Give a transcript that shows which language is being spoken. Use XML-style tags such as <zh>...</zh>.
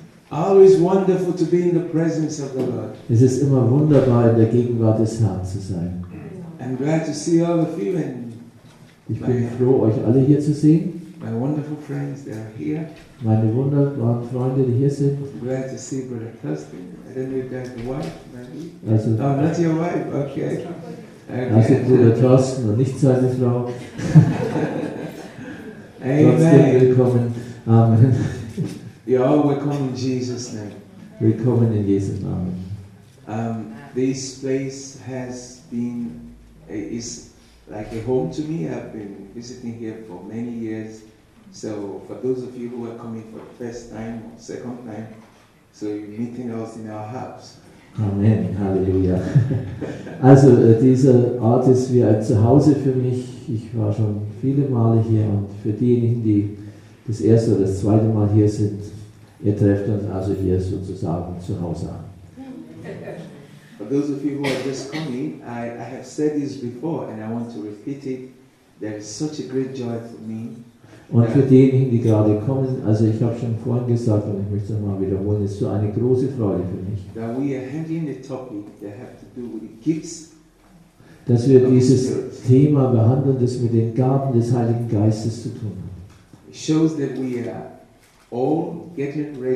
<en>Always wonderful to be in the presence of the Lord.</en> <de>Es ist immer wunderbar, in der Gegenwart des Herrn zu sein.</de> <en>I'm glad to see all of you.</en> <de>Ich bin froh, euch alle hier zu sehen.</de> <en>My wonderful friends, they are here.</en> <de>Meine wunderbaren Freunde, die hier sind.</de> <en>I'm glad to see Brother Thurston. I don't know if that's your wife, maybe. Also, oh, not your wife, okay.</en> <de>Okay. Also Bruder Thorsten und nicht seine Frau. Amen. Trotzdem willkommen. Amen.</de> <en>You're all welcome in Jesus' name.</en> <de>Willkommen in Jesu Namen.</de> <en>This place has been is like a home to me. I've been visiting here for many years. So for those of you who are coming for the first time or second time, so you're meeting us in our house. Amen, Halleluja.</en> <de>Also dieser Ort ist wie ein Zuhause für mich. Ich war schon viele Male hier und für diejenigen, die das erste oder das zweite Mal hier sind, ihr trefft uns also hier sozusagen zu Hause an.</de> <en>For those of you who are just coming, I have said this before and I want to repeat it. There is such a great joy for me.</en> <de>Und für diejenigen, die gerade kommen, also ich habe schon vorhin gesagt und ich möchte es nochmal wiederholen, es ist so eine große Freude für mich, dass wir dieses Thema behandeln, das mit den Gaben des Heiligen Geistes zu tun hat.</de>